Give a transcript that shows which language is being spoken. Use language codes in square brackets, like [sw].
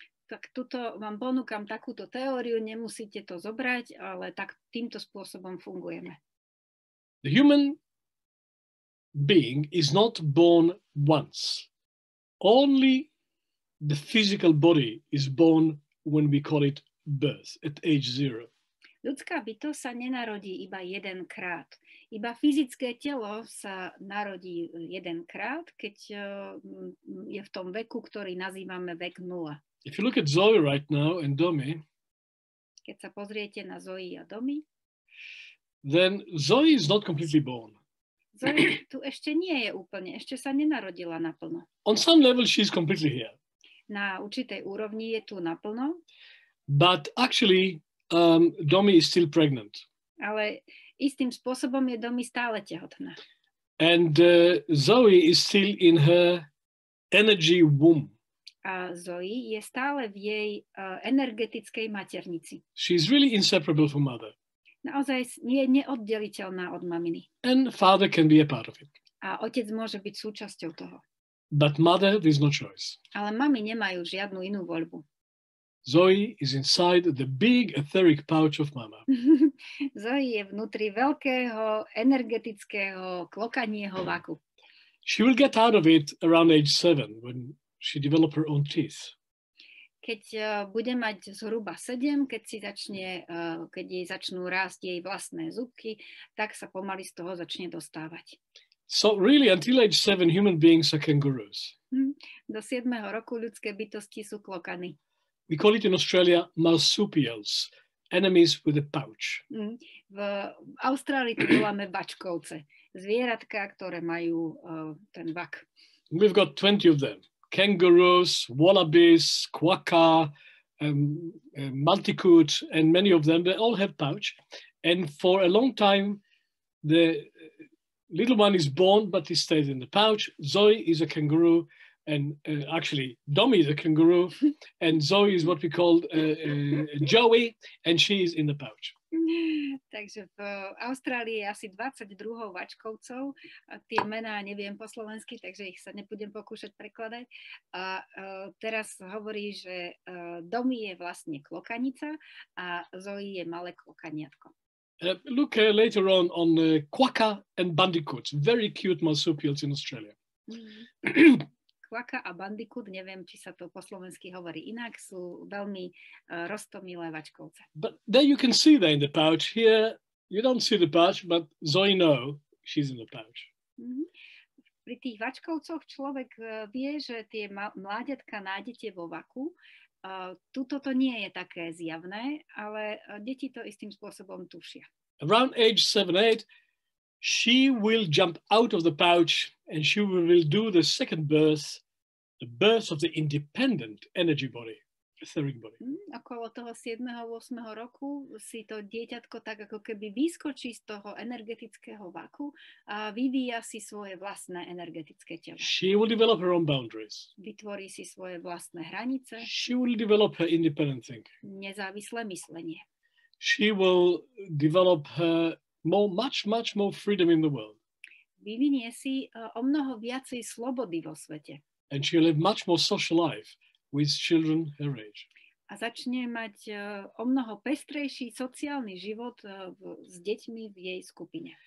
[sk] Tak tuto vám ponúkam takúto teóriu, nemusíte to zobrať, ale tak týmto spôsobom fungujeme. [en] The human being is not born once. Only the physical body is born when we call it birth, at age zero. [sk] Ľudská bytosť sa nenarodí iba jedenkrát. Iba fyzické telo sa narodí jedenkrát, keď je v tom veku, ktorý nazývame vek nula. [en] If you look at Zoe right now and Domi, [sk] keď sa pozriete na Zoe a Domi, [en] then Zoe is not completely born. [sk] Zoe tu ešte nie je úplne, ešte sa nenarodila naplno. [en] On some level she is completely here. [sk] Na určitej úrovni je tu naplno. [en] But actually Domi is still pregnant. [sk] Ale istým spôsobom je Domi stále tehotná. [en] And Zoe is still in her energy womb. [sk] A Zoe je stále v jej energetickej maternici. [en] She is really inseparable from mother. [sk] Naozaj je neoddeliteľná od maminy. [en] And father can be a part of it. [sk] A otec môže byť súčasťou toho. [en] But mother has no choice. [sk] Ale mami nemajú žiadnu inú voľbu. [en] Zoe is inside the big etheric pouch of mama. [sk] Zoe je vnútri veľkého energetického klokanieho vaku. [en] She will get out of it around age 7 when she develops her own teeth. [sk] Keď bude mať zhruba 7, keď si začne, keď jej začnú rásť jej vlastné zubky, tak sa pomaly z toho začne dostávať. [en] So really until age 7 human beings are kangaroos. [sk] Do 7. roku ľudské bytosti sú klokany. [en] We call it in Australia marsupials, enemies with a pouch. [sk] V Austrálii to voláme bačkovce, zvieratka, ktoré majú ten vak. [en] We've got 20 of them. Kangaroos, wallabies, quokka, multicoot, and many of them, they all have pouch. And for a long time, the little one is born, but he stays in the pouch. Zoe is a kangaroo, and actually, Domi is a kangaroo, and Zoe is what we call Joey, and she is in the pouch. [sk] Takže v Austrálii je asi 22 vačkovcov. Tie mená neviem po slovensky, takže ich sa nebudem pokúšať prekladať. A teraz hovorí, že Domi je vlastne klokanica a Zoe je malé klokaniatko. [en] Look later on quokka and bandicoot. Very cute marsupials in Australia. [sk] Quokka a bandicoot, neviem, či sa to po slovensky hovorí inak, sú veľmi roztomilé vačkovce. [en] But there you can see that in the pouch. Here you don't see the pouch, but Zoe know she's in the pouch. [sk] Pri tých vačkovcoch človek vie, že tie mláďatka nájdete vo vaku. Tuto to nie je také zjavné, ale deti to istým spôsobom tušia. [en] Around age 7-8, she will jump out of the pouch and she will do the second birth, the birth of the independent energy body, etheric body. [sk] Okolo toho 7-8 roku si to dieťatko tak ako keby vyskočí z toho energetického vaku a vyvíja si svoje vlastné energetické telo. [en] She will develop her own boundaries. [sk] Vytvorí si svoje vlastné hranice. [en] She will develop her independent thinking. [sk] Nezávislé myslenie. [en] She will develop her much more freedom in the world. [sk] Vyvinie si o mnoho viacej slobody vo svete. [en] And she'll live much more social life with children her age. [sk] A začne mať o mnoho pestrejší sociálny život s deťmi v jej skupine.